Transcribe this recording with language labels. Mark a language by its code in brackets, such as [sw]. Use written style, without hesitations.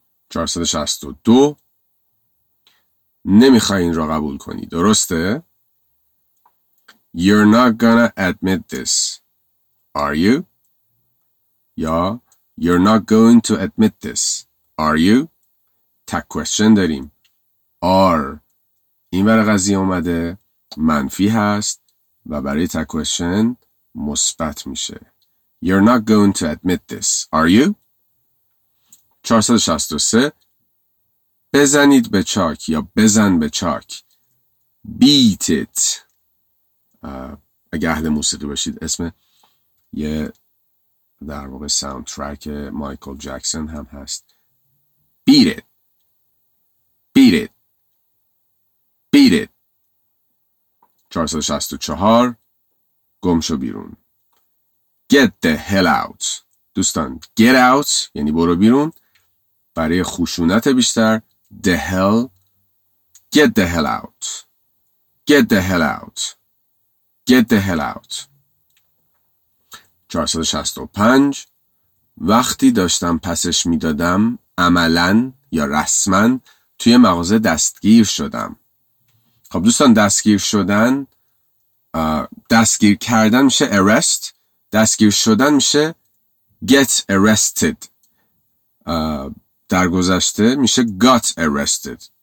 [en] 462. [fa] نمیخوای این را قبول کنی, درسته؟ [en] You're not gonna admit this, are you? Ya, you're not going to admit this, are you? [fa] Tag question داریم. Are. این برای قضیه اومده منفی هست و برای tag question مثبت میشه. [en] You're not going to admit this, are you? 463. [fa] بزنید به چاک یا بزن به چاک. [en] Beat it. [fa] اگه اهل موسیقی باشید اسم یه در واقع ساوندترک مایکل جکسون هم هست. [en] Beat it. Beat it. Beat it. 464. [fa] گم شو بیرون. [en] Get the hell out. [fa] دوستان get out یعنی برو بیرون. برای خشونت بیشتر the hell. [en] Get the hell out. Get the hell out. Get the hell out. [fa] 465 وقتی داشتم پسش می دادم عملاً یا رسماً توی مغازه دستگیر شدم. خب دوستان دستگیر شدن دستگیر کردن میشه arrest، دستگیر شدن میشه get arrested، در گذشته میشه got arrested.